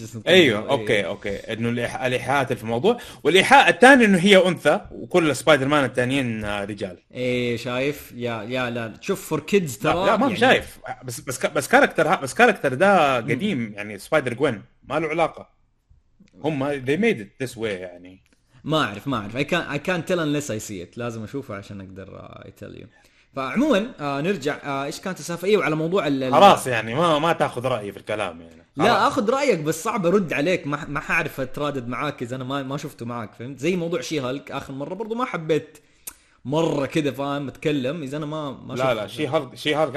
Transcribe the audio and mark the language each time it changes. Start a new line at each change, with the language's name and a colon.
Arabic: اوكي انه الايحاءات في الموضوع، والايحاء الثاني انه هي انثى وكل سبايدر مان الثانيين رجال. ايه شايف يا لا شوف فور كيدز ترى، لا ما يعني شايف، بس كاركتر ده قديم يعني، سبايدر جوين ما له علاقه، هم
English: they made it this way
Arabic: يعني. ما اعرف
English: I can't tell unless I see it،
Arabic: لازم اشوفه عشان اقدر
English: tell you.
Arabic: فعموما نرجع ايش كانت السالفه، ايوه على موضوع خلاص يعني ما تاخذ رايي في الكلام يعني، لا اخذ رايك بس صعب ارد عليك، ما حعرف اتردد معاك اذا انا ما شفته معاك، فهمت؟ زي موضوع شي هالك اخر مره برضو ما حبيت مره كذا فاهم اتكلم اذا انا ما لا اشوف. لا شي هارد، شي هارد.